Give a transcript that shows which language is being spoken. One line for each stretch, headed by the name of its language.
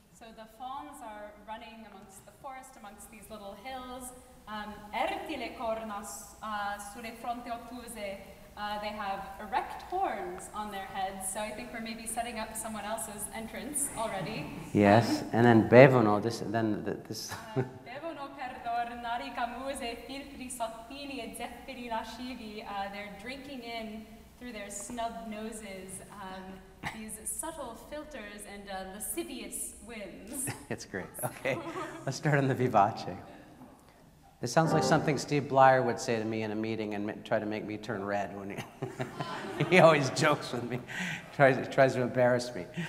English: So the fauns are running amongst the forest, amonggst these little hills.
Italian: Erti le corna sulle fronte ottuse.
English: They have erect horns on their heads, so I think we're maybe setting up someone else's entrance already. Yes, and then
Italian: bevono,
English: this.
Italian: Bevono per tornare camuse, filtri sottili e zeppiri lascivi.
English: They're drinking in through their snub noses these subtle filters and lascivious winds. It's great. Okay, let's start on the vivace. It sounds like something Steve Blyer would say to me in a meeting and try to make me turn red when he always jokes with me, tries to embarrass me.